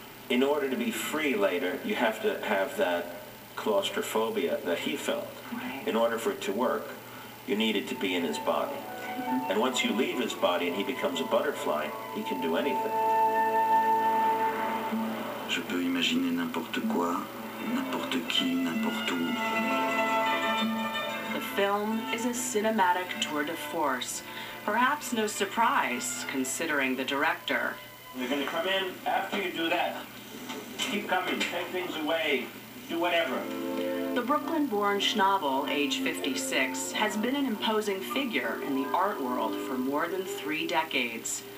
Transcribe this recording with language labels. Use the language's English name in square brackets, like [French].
[English] In order to be free later, you have to have that claustrophobia that he felt. Right. In order for it to work, you needed to be in his body. And once you leave his body and he becomes a butterfly, he can do anything. [French] Je peux imaginer n'importe quoi, n'importe qui, n'importe où. [English] The film is a cinematic tour de force. Perhaps no surprise, considering the director. You're going to come in after you do that. Keep coming, take things away, do whatever. The Brooklyn-born Schnabel, age 56, has been an imposing figure in the art world for more than 3 decades.